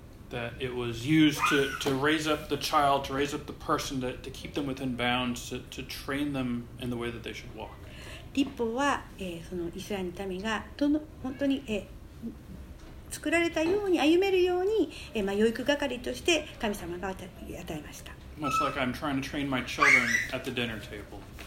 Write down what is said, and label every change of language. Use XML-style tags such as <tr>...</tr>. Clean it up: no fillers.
<en>That it was used to raise up the child, to raise up the person, to keep them within bounds, to train them in the way that they should walk.</en> <ja>律法は、そのイスラエルの民がどの本当に、作られたように歩めるように、まあ、養育係として神様が与えました。</ja> <en>Much like I'm trying to train my children at the dinner table.</en>